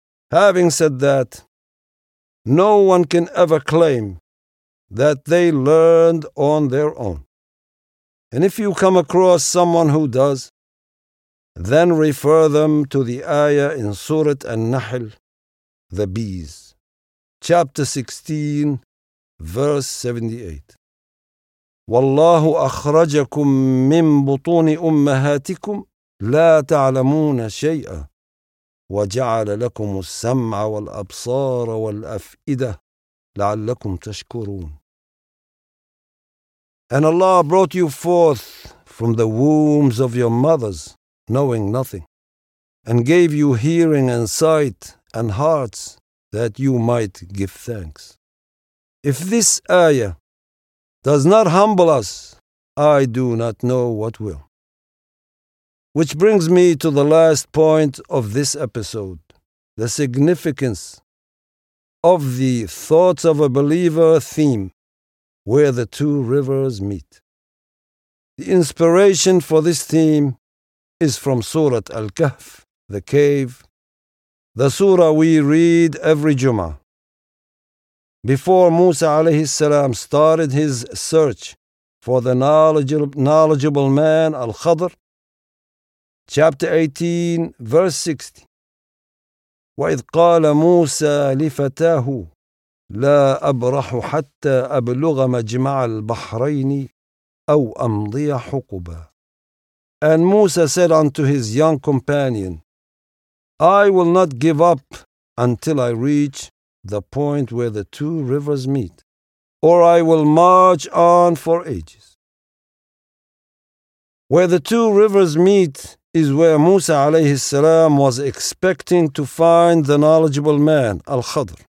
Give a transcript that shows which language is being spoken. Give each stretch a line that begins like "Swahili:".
English: Having said that, no one can ever claim that they learned on their own. And if you come across someone who does, then refer them to the ayah in Surat An-Nahl, the bees, chapter 16, verse 78.
Arabic: والله أخرجكم من بطون أمهاتكم لا تعلمون شيئا وجعل لكم السمع والأبصار والأفئدة لعلكم تشكرون.
English: And Allah brought you forth from the wombs of your mothers, knowing nothing, and gave you hearing and sight and hearts that you might give thanks. If this ayah does not humble us, I do not know what will. Which brings me to the last point of this episode, the significance of the thoughts of a believer theme, where the two rivers meet. The inspiration for this theme is from Surah Al-Kahf, the cave, the surah we read every Jummah. Before Musa alayhi salam started his search for the knowledgeable man Al-Khadr, chapter 18, verse 60.
Arabic: وَإِذْ قَالَ مُوسَى لِفَتَاهُ لَا أَبْرَحُ حَتَّى أَبْلُغَ مَجْمَعَ الْبَحْرَيْنِ أَوْ أَمْضِيَ حُقُبًا.
English: And Musa said unto his young companion, I will not give up until I reach the point where the two rivers meet, or I will march on for ages. Where the two rivers meet is where Musa alayhi salam was expecting to find the knowledgeable man, Al-Khadr.